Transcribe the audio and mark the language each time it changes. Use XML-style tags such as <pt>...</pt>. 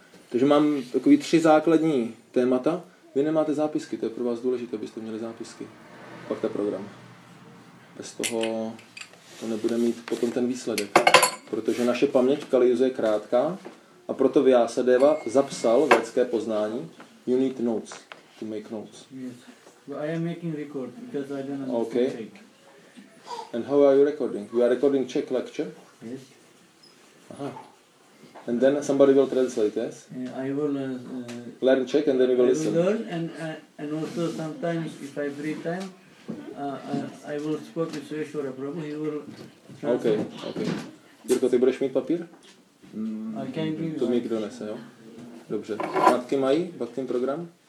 <cs>Takže mám takový tři základní témata. Vy nemáte zápisky, to je pro vás důležité, abyste měli zápisky. Pak ten program. Bez toho to nebude mít potom ten výsledek. Protože naše paměť v Kaliuze je krátká a proto Vyásadeva zapsal vědecké poznání.</cs> <en>You need notes to make notes. Yes. But I am making record because I don't understand okay. Czech. And how are you recording? You are recording Czech lecture? Yes. Aha. And then somebody will translate, yes? I will learn Czech and then you will listen. I will learn and also sometimes if I have free time, I will speak with Sureshwara Prabhu, he will translate. Okay, okay.</en> <cs>Jirko, ty budeš mít papír?</cs> <en>I can give you.</en> <cs>To mi kdo nese, jo? Dobře. Matky mají v tým program?</cs>